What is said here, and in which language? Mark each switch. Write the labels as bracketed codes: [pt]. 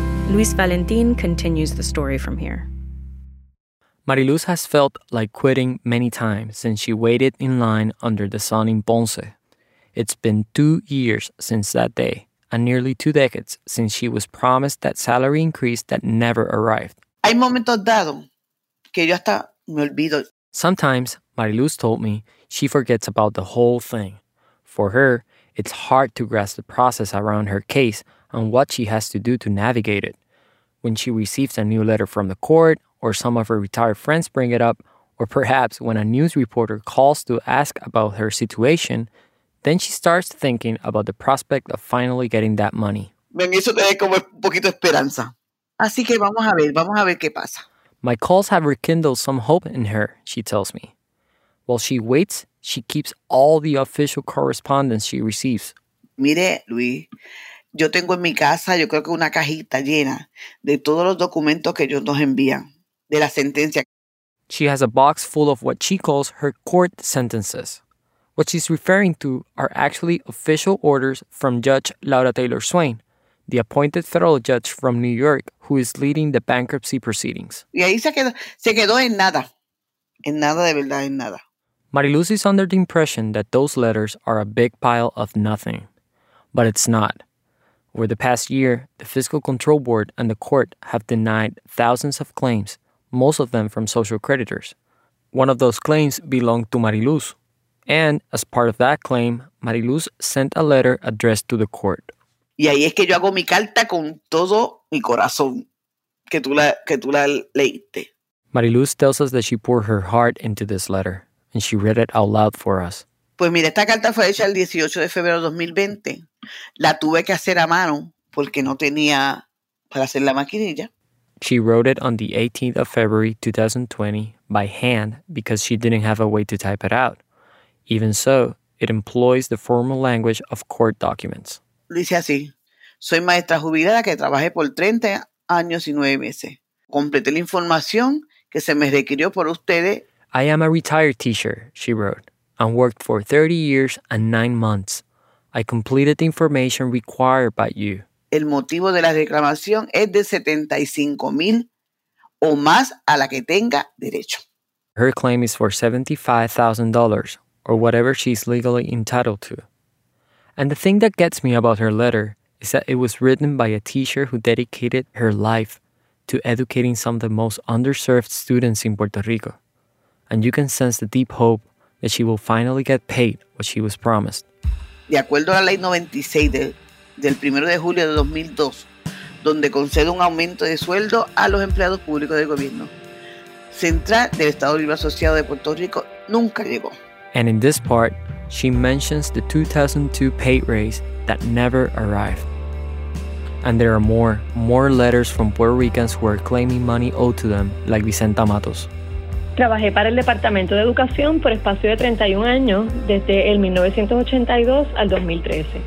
[en] Luis Valentin continues the story from here. Mariluz has felt like quitting many times since she waited in line under the sun in Ponce. It's been 2 years since that day, and nearly two decades since she was promised that salary increase that never arrived. [es] Hay momentos dado que yo hasta me olvido. [en] Sometimes, Mariluz told me, she forgets about the whole thing. For her, it's hard to grasp the process around her case and what she has to do to navigate it. When she receives a new letter from the court, or some of her retired friends bring it up, or perhaps when a news reporter calls to ask about her situation, then she starts thinking about the prospect of finally getting that money. My calls have rekindled some hope in her, she tells me. While she waits, she keeps all the official correspondence she receives. [es] Mire, Luis, yo tengo en mi casa, yo creo que una cajita llena de todos los documentos que ellos nos envían, de la sentencia. [en] She has a box full of what she calls her court sentences. What she's referring to are actually official orders from Judge Laura Taylor Swain, the appointed federal judge from New York who is leading the bankruptcy proceedings. [es] Y ahí se quedó en nada. En nada de verdad, en nada. [en] Mariluz is under the impression that those letters are a big pile of nothing. But it's not. Over the past year, the Fiscal Control Board and the court have denied thousands of claims, most of them from social creditors. One of those claims belonged to Mariluz. And as part of that claim, Mariluz sent a letter addressed to the court. [es] Y ahí es que yo hago mi carta con todo mi corazón, que tú la leíste. [en] Mariluz tells us that she poured her heart into this letter, and she read it out loud for us. [es] Pues mira, esta carta fue hecha el 18 de febrero 2020. La tuve que hacer a mano porque no tenía para hacer la maquinilla. [en] She wrote it on the 18th of February 2020 by hand because she didn't have a way to type it out. Even so, it employs the formal language of court documents. [es] Dice así, soy maestra jubilada que trabajé por 30 años y 9 meses. Completé la información que se me requirió por ustedes. [en] I am a retired teacher, she wrote, and worked for 30 years and 9 months. I completed the information required by you. [es] El motivo de la reclamación es de 75,000 o más a la que tenga derecho. [en] Her claim is for $75,000, or whatever she's legally entitled to. And the thing that gets me about her letter is that it was written by a teacher who dedicated her life to educating some of the most underserved students in Puerto Rico. And you can sense the deep hope that she will finally get paid what she was promised. [es] De acuerdo a la ley 96 del 1 de julio de 2002, donde concede un aumento de sueldo a los empleados públicos del gobierno central del Estado Libre Asociado de Puerto Rico, nunca llegó. [en] And in this part, she mentions the 2002 pay raise that never arrived. And there are more letters from Puerto Ricans who are claiming money owed to them, like Vicenta Matos. [es] Trabajé para el Departamento de Educación por espacio de 31 años, desde el 1982 al 2013.